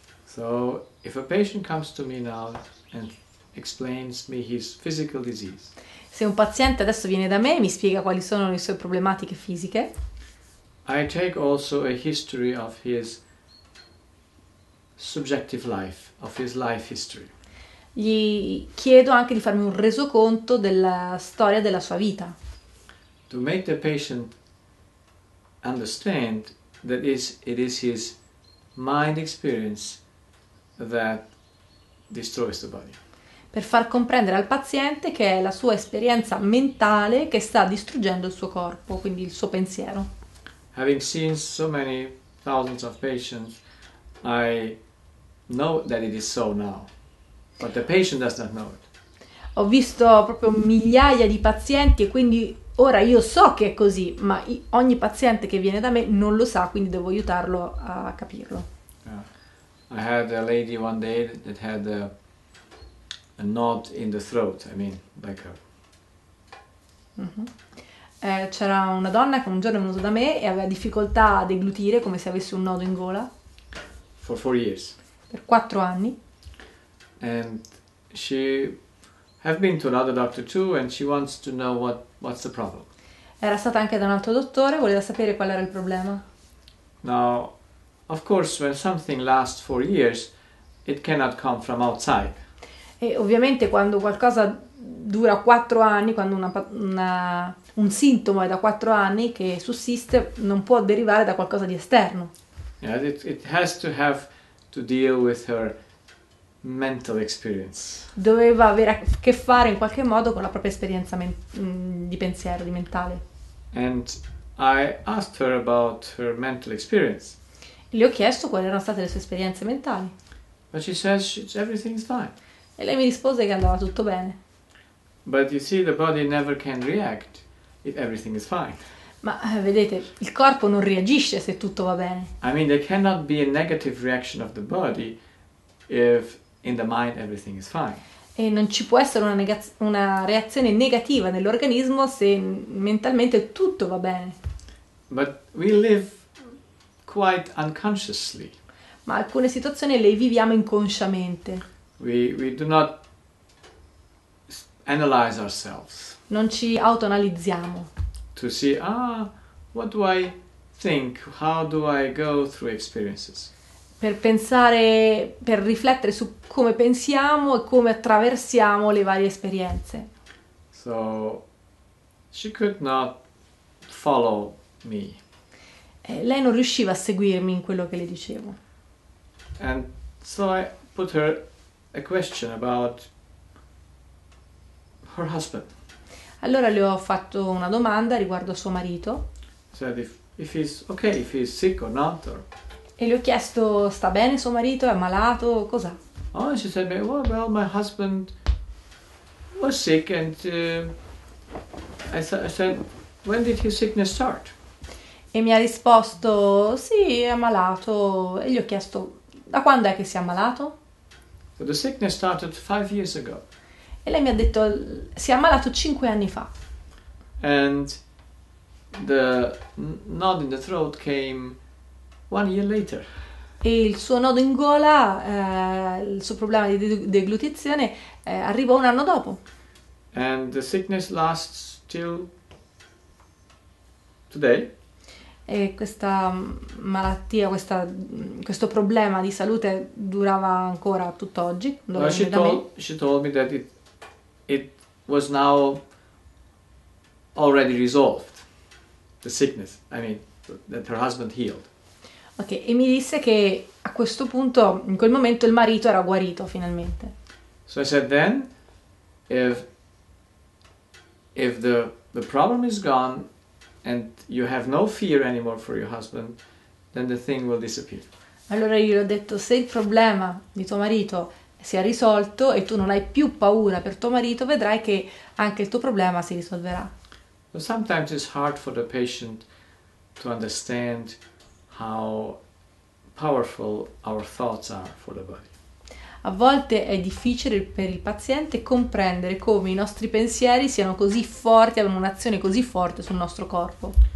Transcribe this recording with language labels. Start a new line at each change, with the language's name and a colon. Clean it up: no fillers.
English: So, if a patient comes to me now and explains me his physical disease,
Italian: Se un paziente adesso viene da me e mi spiega quali sono le sue problematiche fisiche,
English: I take also a history of his subjective life, of his life history.
Italian: gli chiedo anche di farmi un resoconto della storia della sua vita.
English: To make the patient understand that it is his mind experience that destroys the body.
Italian: Per far comprendere al paziente che è la sua esperienza mentale che sta distruggendo il suo corpo, quindi il suo pensiero.
English: Having seen so many thousands of patients, I know that it is so now, but the patient does not know it.
Italian: Ho visto proprio migliaia di pazienti e quindi ora io so che è così, ma ogni paziente che viene da me non lo sa, quindi devo aiutarlo a capirlo.
English: I had a lady one day that had a knot in the throat, I mean, like a.
Italian: C'era una donna che un giorno è venuta da me e aveva difficoltà a deglutire come se avesse un nodo in gola per
English: For 4 years.
Italian: 4 anni.
English: And she have been to another doctor too, and she wants to know what's the problem.
Italian: Era stata anche da un altro dottore, voleva sapere qual era il problema.
English: Now, of course, when something lasts 4 years, it cannot come from outside.
Italian: E ovviamente quando qualcosa dura 4 anni, quando un sintomo è da 4 anni che sussiste, non può derivare da qualcosa di esterno.
English: Yeah, it has to have to deal with her mental experience.
Italian: Doveva avere a che fare in qualche modo con la propria esperienza di pensiero, di mentale.
English: And I asked her about her mental experience.
Italian: Le ho chiesto quali erano state le sue esperienze mentali.
English: But she says everything's fine.
Italian: E lei mi rispose che andava tutto bene.
English: But you see, the body never can react if everything is fine.
Italian: Ma vedete, il corpo non reagisce se tutto va bene.
English: I mean, there cannot be a negative reaction of the body if in the mind everything is fine.
Italian: E non ci può essere una reazione negativa nell'organismo se mentalmente tutto va bene.
English: But we live quite unconsciously.
Italian: Ma alcune situazioni le viviamo inconsciamente.
English: We do not analyze ourselves
Italian: Non ci autoanalizziamo.
English: to see, what do I think? How do I go through experiences?
Italian: Per riflettere su come pensiamo e come attraversiamo le varie esperienze.
English: So she could not follow me.
Italian: Lei non riusciva a seguirmi in quello che le dicevo.
English: And so I put her a question about her husband.
Italian: Allora le ho fatto una domanda riguardo suo marito.
English: Said if he's okay, if he's sick or not. Or...
Italian: E le ho chiesto, sta bene suo marito, è ammalato, cos'ha?
English: Oh, she said, well, my husband was sick and I said, when did his sickness start?
Italian: E mi ha risposto, sì, è ammalato. E gli ho chiesto, da quando è che si è ammalato?
English: So the sickness started 5 years ago.
Italian: E lei mi ha detto, si è ammalato 5 anni fa.
English: And the nod in the throat came 1 year later.
Italian: E il suo nodo in gola, il suo problema di deglutizione, arrivò 1 anno dopo.
English: And the sickness lasts till today.
Italian: E questa malattia, questo problema di salute durava ancora tutt'oggi.
English: Well, she told me that it was now already resolved, the sickness, I mean, that her husband healed.
Italian: Ok, e mi disse che a questo punto, in quel momento, il marito era guarito finalmente.
English: So I said then, if the problem is gone, and you have no fear anymore for your husband, then the thing will disappear.
Italian: Allora io gli ho detto, se il problema di tuo marito si è risolto e tu non hai più paura per tuo marito, vedrai che anche il tuo problema si risolverà.
English: But sometimes it's hard for the patient to understand how powerful our thoughts are for the body.
Italian: A volte è difficile per il paziente comprendere come i nostri pensieri siano così forti, abbiano un'azione così forte sul nostro corpo.